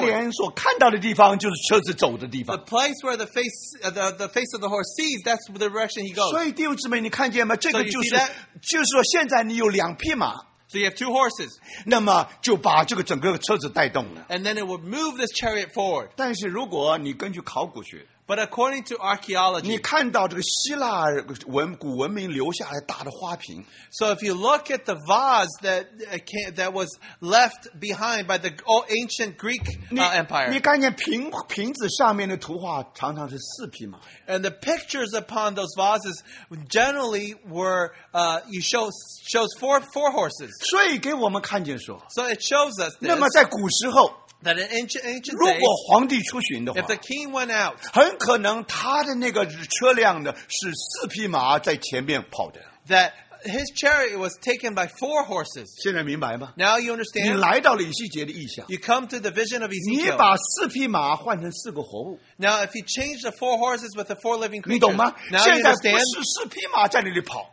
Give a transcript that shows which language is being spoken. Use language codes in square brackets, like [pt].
[zh] 他脸所看到的地方就是车子走的地方 [en] The place where the face of the horse sees that's the direction he goes [zh] 所以弟兄姊妹你看见吗这个就是、 [en] so、 [zh] 就是说现在你有两匹马 [en] So you have two horses. [zh] 那么就把这个整个车子带动了。 [en] And then it would move this chariot forward. [zh] 但是如果你根据考古学 [en] But according to archaeology, [zh] 你看到这个希腊文古文明留下来大的花瓶。 [en] So if you look at the vase that was left behind by the ancient Greek empire. [zh] 你看见瓶子上面的图画常常是四匹马。 [en] And the pictures upon those vases generally were, shows four horses. [zh] 所以给我们看见说。 [en] So it shows us this. [zh] 那么在古时候。 [en] That in ancient days, [zh] 如果皇帝出巡的话 [en] if the king went out, [zh] 很可能他的那个车辆呢是四匹马在前面跑的 [en] that his chariot was taken by four horses [zh] 现在明白吗 [en] now you understand [zh] 你来到了以西结的意象 [en] you come to the vision of Ezekiel [zh] 你把四匹马换成四个活物 [en] now if you change the four horses with the four living creatures [zh] 你懂吗 [en] now [zh] 现在不是四匹马在那里跑